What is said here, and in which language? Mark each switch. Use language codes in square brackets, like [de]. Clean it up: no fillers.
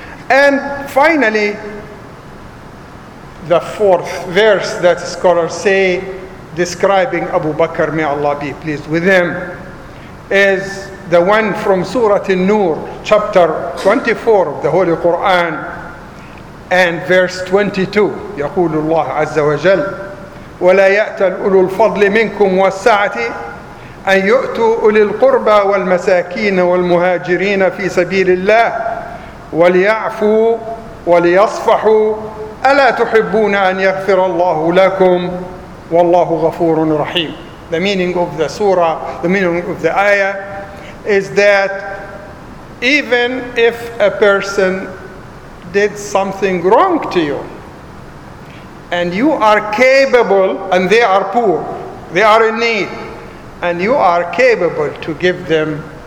[en] And finally, the fourth verse that scholars say describing Abu Bakr, may Allah be pleased with him, is the one from Surah An-Nur, chapter 24 of the Holy Quran, and verse 22. [ar] يقول الله عز وجل ولا يأت الأولو الفضل منكم والسعة أن يؤتوا أولي القربى والمساكين والمهاجرين في سبيل الله وليعفوا وليصفحوا ألا تحبون أن يغفر الله لكم والله غفور رحيم. [en] The meaning of the surah, the meaning of the ayah is that even if a person did something wrong to you, and you are capable, and they are poor, they are in need, and you are capable to give them.